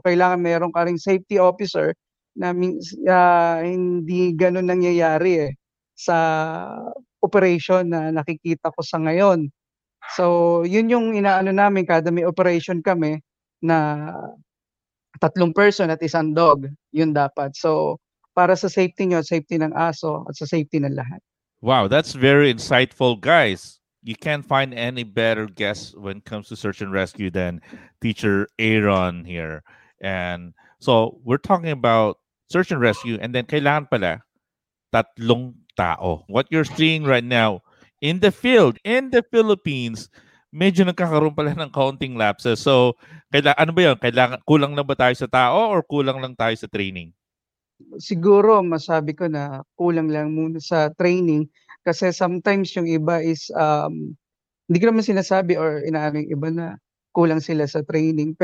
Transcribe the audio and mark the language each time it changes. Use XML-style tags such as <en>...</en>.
<tl>Kailangan meron ka rin safety officer na hindi ganun nangyayari sa operation na nakikita ko sa ngayon. So, yun yung inaano namin kada may operation kami na tatlong person at isang dog. Yun dapat. So, para sa safety nyo, safety ng aso, at sa safety ng lahat.</tl> <en>Wow, that's very insightful, guys. You can't find any better guest when it comes to search and rescue than Teacher Aeron here. And so we're talking about search and rescue, and then</en> <tl>kailangan pala tatlong tao.</tl> <en>What you're seeing right now in the field, in the Philippines,</en> <tl>medyo nagkakaroon pala ng</tl> <en>counting lapses.</en> <tl>So ano ba yun? Kulang lang ba tayo sa tao or kulang lang tayo sa training? Siguro masabi ko na kulang lang muna sa training. Kasi sometimes yung iba is, hindi ko naman sinasabi or inaaming iba na kulang sila sa training.</tl>